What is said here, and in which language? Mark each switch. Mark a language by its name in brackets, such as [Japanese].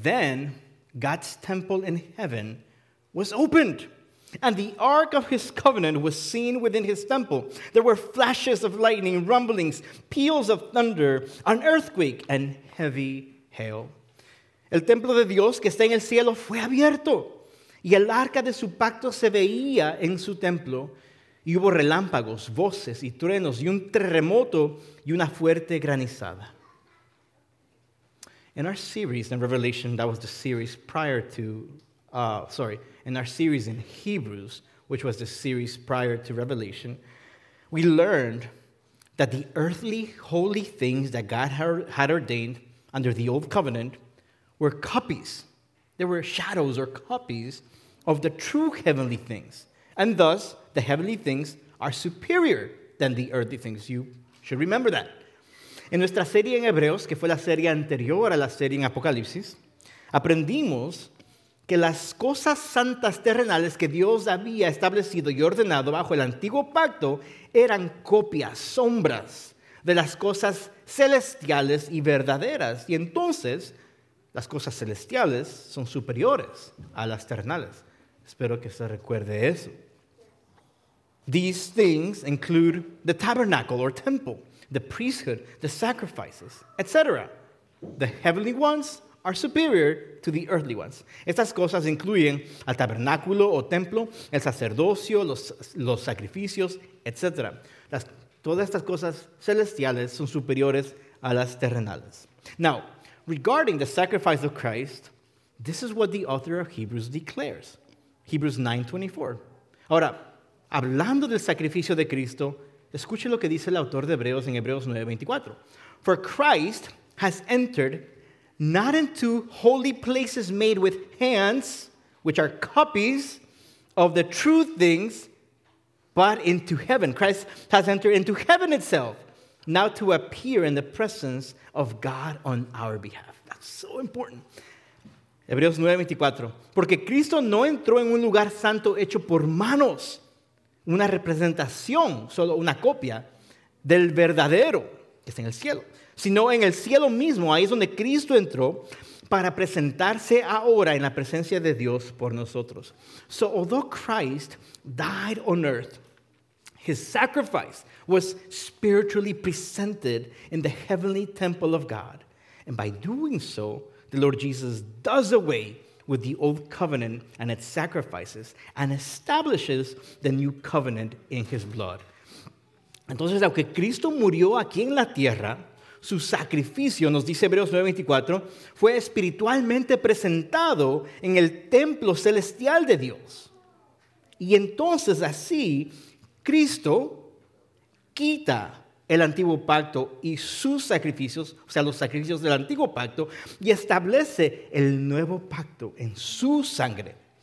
[English] Then God's temple in heaven was opened, and the ark of his covenant was seen within his temple. There were flashes of lightning, rumblings, peals of thunder, an earthquake, and heavy hail. [Spanish] El templo de Dios que está en el cielo fue abierto, y el arca de su pacto se veía en su templo, y hubo relámpagos, voces y truenos, y un terremoto y una fuerte granizada. [English] In our series in Revelation, that was the series prior to, in our series in Hebrews, which was the series prior to Revelation, we learned that the earthly holy things that God had ordained under the old covenant were copies. They were shadows or copies of the true heavenly things. And thus, the heavenly things are superior than the earthly things. You should remember that. [Spanish] En nuestra serie en Hebreos, que fue la serie anterior a la serie en Apocalipsis, aprendimos que las cosas santas terrenales que Dios había establecido y ordenado bajo el antiguo pacto eran copias, sombras de las cosas celestiales y verdaderas. Y entonces, las cosas celestiales son superiores a las terrenales. Espero que se recuerde eso. [English] These things include the tabernacle or temple, the priesthood, the sacrifices, etc. The heavenly ones are superior to the earthly ones. [Spanish] Estas cosas incluyen al tabernáculo o templo, el sacerdocio, los sacrificios, etc. Todas estas cosas celestiales son superiores a las terrenales. [English] Now, regarding the sacrifice of Christ, this is what the author of Hebrews declares. Hebrews 9:24. [Spanish] Ahora, hablando del sacrificio de Cristo, escuche lo que dice el autor de Hebreos en Hebreos 9:24. [English] For Christ has entered not into holy places made with hands, which are copies of the true things, but into heaven. Christ has entered into heaven itself, now to appear in the presence of God on our behalf. That's so important. Hebreos 9:24. [Spanish] Porque Cristo no entró en un lugar santo hecho por manos, una representación, solo una copia del verdadero que está en el cielo, sino en el cielo mismo, ahí es donde Cristo entró para presentarse ahora en la presencia de Dios por nosotros. [English] So although Christ died on earth, his sacrifice was spiritually presented in the heavenly temple of God. And by doing so, the Lord Jesus does away with the old covenant and its sacrifices, and establishes the new covenant in his blood. [Spanish] Entonces, aunque Cristo murió aquí en la tierra, su sacrificio, nos dice Hebreos 9:24, fue espiritualmente presentado en el templo celestial de Dios. Y entonces, así, Cristo quita el antiguo pacto y sus sacrificios, o sea, los sacrificios del antiguo pacto, y establece el nuevo pacto en su sangre.